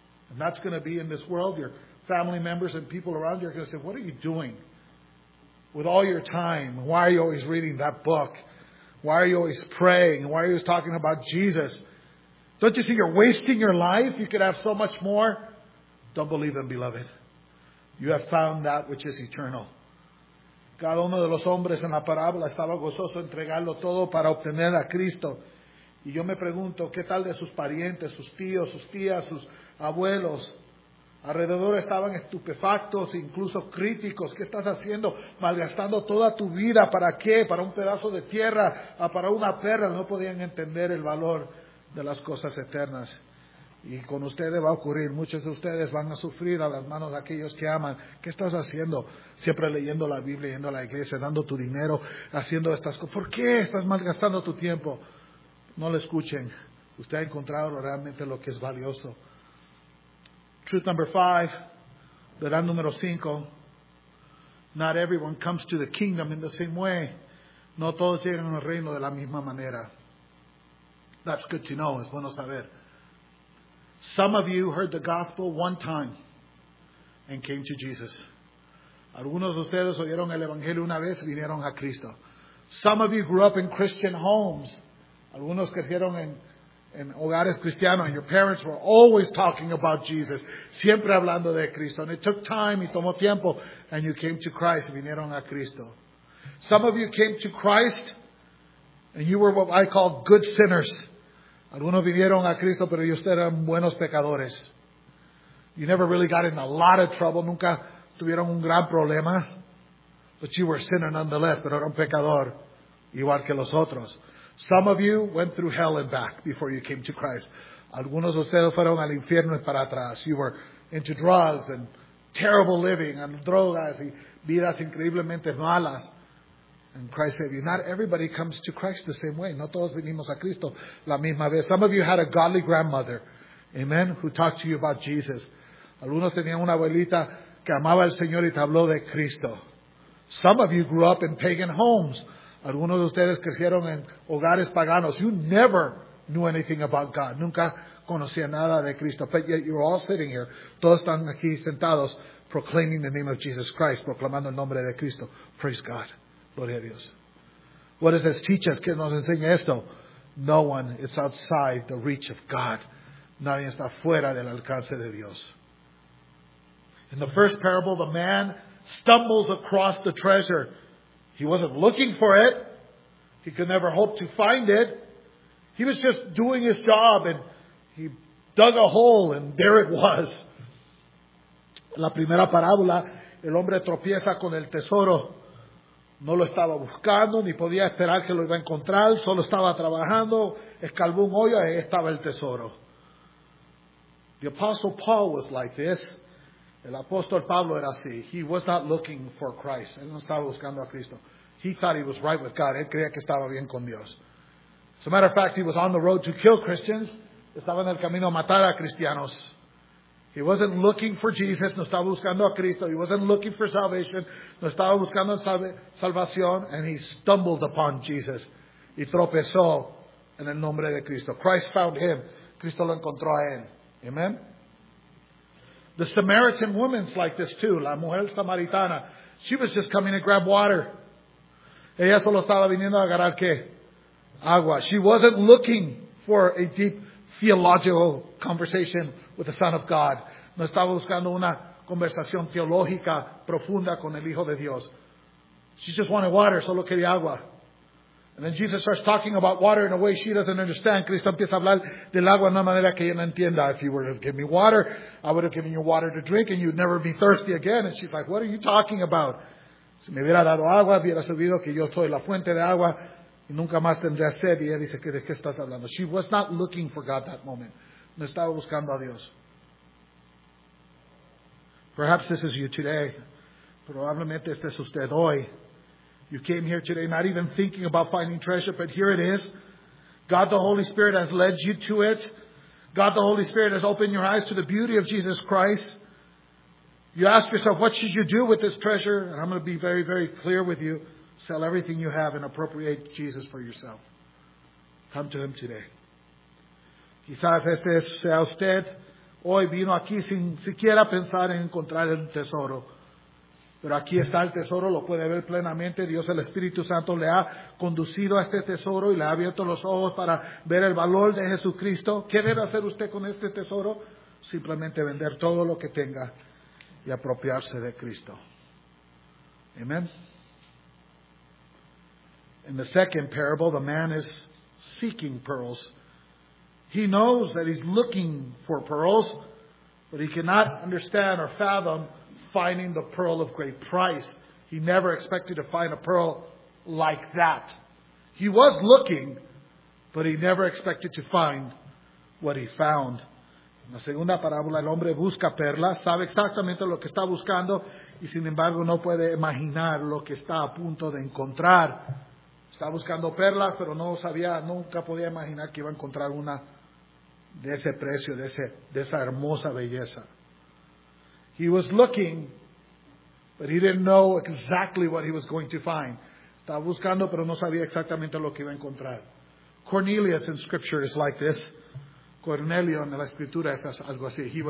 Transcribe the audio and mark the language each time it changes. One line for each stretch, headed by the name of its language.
English: And that's going to be in this world. Your family members and people around you are going to say, what are you doing with all your time? Why are you always reading that book? Why are you always praying? Why are you always talking about Jesus? Don't you see you're wasting your life? You could have so much more. Don't believe them, beloved. You have found that which is eternal.
Spanish: Cada uno de los hombres en la parábola estaba gozoso entregarlo todo para obtener a Cristo. Y yo me pregunto, ¿qué tal de sus parientes, sus tíos, sus tías, sus abuelos? Alrededor estaban estupefactos, incluso críticos. ¿Qué estás haciendo? Malgastando toda tu vida, ¿para qué? ¿Para un pedazo de tierra? ¿Para una perra? No podían entender el valor de las cosas eternas. Y con ustedes va a ocurrir, muchos de ustedes van a sufrir a las manos de aquellos que aman. ¿Qué estás haciendo? Siempre leyendo la Biblia, yendo a la iglesia, dando tu dinero, haciendo estas cosas. ¿Por qué estás malgastando tu tiempo? No le escuchen. Usted ha encontrado realmente lo que es valioso.
English: Truth number 5,
Spanish: verdad número 5.
English: Not everyone comes to the kingdom in the same way.
Spanish: No todos llegan al reino de la misma manera.
English: That's good to know.
Spanish: Es bueno saber.
English: Some of you heard the gospel one time and came to Jesus.
Spanish: Algunos de ustedes oyeron el evangelio una vez y vinieron a Cristo.
English: Some of you grew up in Christian homes.
Spanish: Algunos crecieron en hogares cristianos,
English: and your parents were always talking about Jesus,
Spanish: siempre hablando de Cristo.
English: And it took time,
Spanish: y tomó tiempo,
English: and you came to Christ,
Spanish: y vinieron a Cristo.
English: Some of you came to Christ and you were what I call good sinners.
Spanish: Algunos vinieron a Cristo, pero ellos eran buenos pecadores.
English: You never really got in a lot of trouble.
Spanish: Nunca tuvieron un gran problema.
English: But you were a sinner nonetheless,
Spanish: pero era un pecador, igual que los otros.
English: Some of you went through hell and back before you came to Christ.
Spanish: Algunos de ustedes fueron al infierno y para atrás.
English: You were into drugs and terrible living and
Spanish: drogas y vidas increíblemente malas.
English: And Christ saved you. Not everybody comes to Christ the same way.
Spanish: No todos vinimos a Cristo la misma vez.
English: Some of you had a godly grandmother, amen, who talked to you about Jesus.
Spanish: Algunos tenían una abuelita que amaba al Señor y te habló de Cristo.
English: Some of you grew up in pagan homes.
Spanish: Algunos de ustedes crecieron en hogares paganos.
English: You never knew anything about God.
Spanish: Nunca conocía nada de Cristo.
English: But yet you're all sitting here.
Spanish: Todos están aquí sentados
English: proclaiming the name of Jesus Christ,
Spanish: proclamando el nombre de Cristo.
English: Praise God.
Spanish: Gloria a Dios.
English: What does this teach us?
Spanish: ¿Qué nos enseña esto?
English: No one is outside the reach of God.
Spanish: Nadie está fuera del alcance de Dios.
English: In the first parable, the man stumbles across the treasure. He wasn't looking for it. He could never hope to find it. He was just doing his job and he dug a hole and there it was.
Spanish: La primera parábola, el hombre tropieza con el tesoro. No lo estaba buscando, ni podía esperar que lo iba a encontrar. Solo estaba trabajando, escarbó un hoyo, ahí estaba el tesoro.
English: The Apostle Paul was like this.
Spanish: El apóstol Pablo era así.
English: He was not looking for Christ.
Spanish: Él no estaba buscando a Cristo.
English: He thought he was right with God.
Spanish: Él creía que estaba bien con Dios.
English: As a matter of fact, he was on the road to kill Christians.
Spanish: Estaba en el camino a matar a cristianos.
English: He wasn't looking for Jesus.
Spanish: No estaba buscando a Cristo.
English: He wasn't looking for salvation.
Spanish: No estaba buscando salvación.
English: And he stumbled upon Jesus.
Spanish: Y tropezó en el nombre de Cristo.
English: Christ found him.
Spanish: Cristo lo encontró a él. Amen.
English: The Samaritan woman's like this too.
Spanish: La mujer samaritana.
English: She was just coming to grab water.
Spanish: Ella solo estaba viniendo a agarrar qué? Agua.
English: She wasn't looking for a deep theological conversation with the Son of God.
Spanish: No estaba buscando una conversación teológica profunda con el Hijo de Dios.
English: She just wanted water,
Spanish: solo quería agua.
English: And then Jesus starts talking about water in a way she doesn't understand.
Spanish: Cristo empieza a hablar del agua de una manera que ella no entienda.
English: If you were to give me water, I would have given you water to drink and you'd never be thirsty again. And she's like, what are you talking about?
Spanish: Si me hubiera dado agua, hubiera sabido que yo soy la fuente de agua y nunca más tendré sed. Y ella dice, ¿de qué estás hablando?
English: She was not looking for God that moment.
Spanish: No estaba buscando a Dios.
English: Perhaps this is you today.
Spanish: Probablemente este es usted hoy.
English: You came here today not even thinking about finding treasure, but here it is. God the Holy Spirit has led you to it. God the Holy Spirit has opened your eyes to the beauty of Jesus Christ. You ask yourself, what should you do with this treasure? And I'm going to be very, very clear with you. Sell everything you have and appropriate Jesus for yourself. Come to Him today.
Spanish: Quizás este sea usted. Hoy vino aquí sin siquiera pensar en encontrar el tesoro. Pero aquí está el tesoro, lo puede ver plenamente. Dios, el Espíritu Santo, le ha conducido a este tesoro y le ha abierto los ojos para ver el valor de Jesucristo. ¿Qué debe hacer usted con este tesoro? Simplemente vender todo lo que tenga y apropiarse de Cristo. Amen.
English: In the second parable, the man is seeking pearls. He knows that he's looking for pearls, but he cannot understand or fathom finding the pearl of great price. He never expected to find a pearl like that. He was looking, but he never expected to find what he found.
Spanish: En la segunda parábola, el hombre busca perlas, sabe exactamente lo que está buscando, y sin embargo no puede imaginar lo que está a punto de encontrar. Está buscando perlas, pero no sabía, nunca podía imaginar que iba a encontrar una de ese precio, de esa hermosa belleza.
English: He was looking, but he didn't know exactly what he was going to find.
Spanish: Estaba buscando, pero no sabía exactamente lo que iba a encontrar.
English: Cornelius in Scripture is like this.
Spanish: Cornelio en la Escritura es algo así.